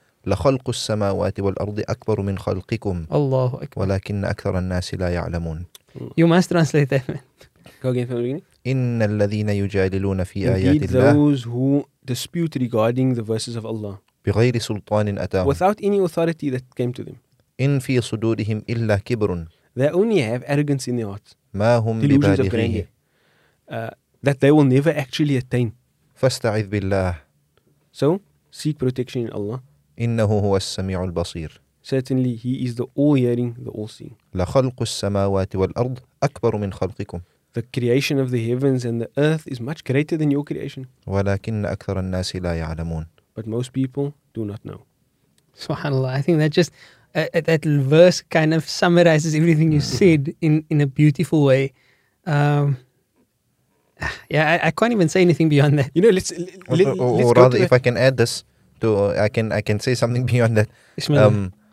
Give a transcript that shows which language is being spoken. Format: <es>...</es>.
<ar>لخلق السماوات والأرض أكبر من خلقكم الله أكبر ولكن أكثر الناس لا يعلمون.</ar> <en>You must translate that, man. Go again from the beginning.</en> <ar>إن الذين يجادلون في آيات الله.</ar> <en>Indeed, those who dispute regarding the verses of Allah.</en> <ar>بغير سلطان أتاهم.</ar> <en>Without any authority that came to them.</en> <ar>إن في صدورهم إلا كبر.</ar> <en>They only have arrogance in their hearts.</en> <ar>ما هم ببالغيه.</ar> <en>That they will never actually attain.</en> <ar>فاستعذ بالله.</ar> <en>So seek protection in Allah.</en> <ar>إنه هو السميع البصير.</ar> <en>Certainly, he is the all-hearing, the all-seeing.</en> <ar>لخلق السماوات والأرض أكبر من خلقكم.</ar> <en>The creation of the heavens and the earth is much greater than your creation.</en> <ar>ولكن أكثر الناس لا يعلمون.</ar> <en>But most people do not know. Subhanallah. I think that just that verse kind of summarizes everything you said in a beautiful way. I can't even say anything beyond that. You know, let's if I can add this. I can say something beyond that.</en>